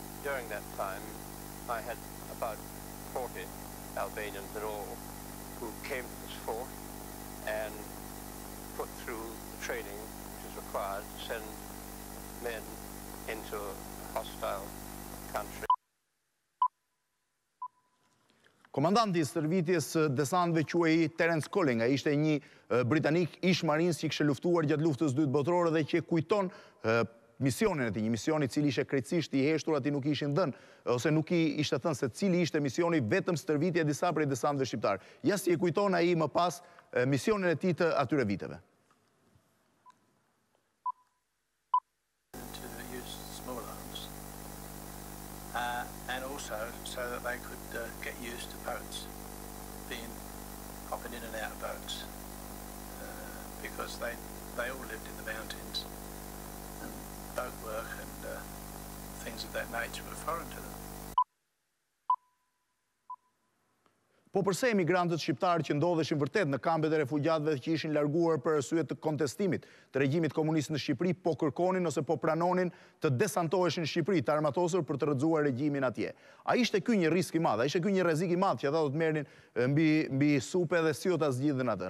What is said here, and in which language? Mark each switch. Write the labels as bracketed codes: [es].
[en] During that time, I had about 40 Albanians in all who came to this fort and put through the training which is required to send men into a hostile country. [sq] Komandanti i stërvitjes së desantëve quhej Terence Colling. Ai ishte një britanik ish marinës që kishte luftuar gjatë luftës së dytë botërore dhe që kujton misionin e tij, një mision i cili ishte krejtësisht i heshtur, ati nuk ishin dhënë ose nuk i ishte thënë se cili ishte misioni, vetëm stërvitje disa prej desantëve shqiptar. Ja si e kujton ai më pas misionin e tij të atyre viteve. [en] And also so that they could get used to boats, being hopping in and out of boats, because they all lived in the mountains, and boat work and things of that nature were foreign to them. [sq] Po përse emigrantët shqiptarë që ndodheshin vërtet në kampet e refugjatëve që ishin larguar për arsye të kontestimit të regjimit komunist në Shqipëri po kërkonin ose po pranonin të desantoheshin në Shqipëri të armatosur për të rrëzuar regjimin atje? A ishte ky një risk i madh? A ishte ky një rrezik i madh që ata do të merrnin mbi supe dhe si do ta zgjidhin atë?